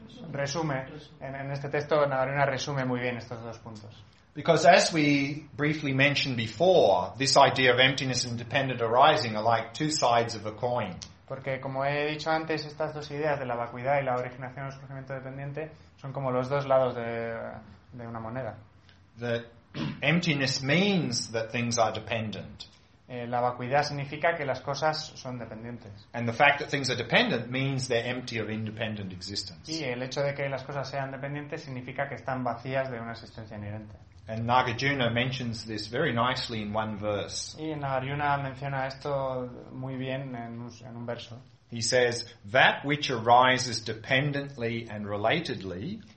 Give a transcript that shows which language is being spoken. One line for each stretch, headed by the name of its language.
Spanish: Resume, en este texto Nagarjuna resume muy bien estos dos puntos.
English: Because as we briefly mentioned before, this idea of emptiness and dependent arising are like two sides of a coin.
Spanish: Porque como he dicho antes, estas dos ideas de la vacuidad y la originación o surgimiento dependiente son como los dos lados de una moneda.
English: That emptiness means that things are dependent.
Spanish: La vacuidad significa que las cosas son dependientes.
English: And the fact that things are dependent means they're empty of independent existence.
Spanish: Y el hecho de que las cosas sean dependientes significa que están vacías de una existencia inherente.
English: And Nagarjuna mentions this very nicely in one verse.
Spanish: Y Nagarjuna menciona esto muy bien en un verso.
English: He says, "That which arises dependently and relatedly."